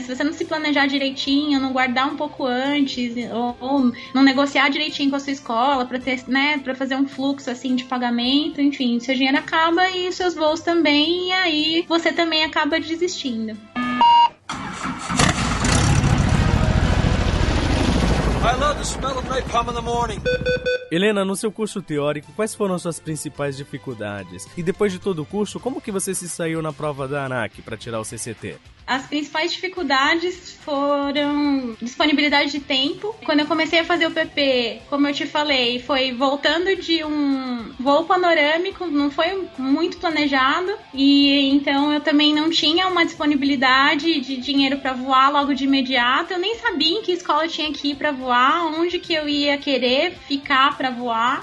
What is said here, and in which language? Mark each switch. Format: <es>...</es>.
<pt>Se você não se planejar direitinho, não guardar um pouco antes, ou não negociar direitinho com a sua escola pra ter, né, pra fazer um fluxo, assim, de pagamento, enfim, seu dinheiro acaba e seus voos também, e aí você também acaba desistindo.</pt> <en>I love the smell of napalm in the morning.</en> <pt>Helena, no seu curso teórico, quais foram as suas principais dificuldades? E depois de todo o curso, como que você se saiu na prova da ANAC para tirar o CCT? As principais dificuldades foram disponibilidade de tempo. Quando eu comecei a fazer o PP, como eu te falei, foi voltando de um voo panorâmico, não foi muito planejado, e então eu também não tinha uma disponibilidade de dinheiro para voar logo de imediato. Eu nem sabia em que escola eu tinha que ir para voar, onde que eu ia querer ficar para voar.</pt>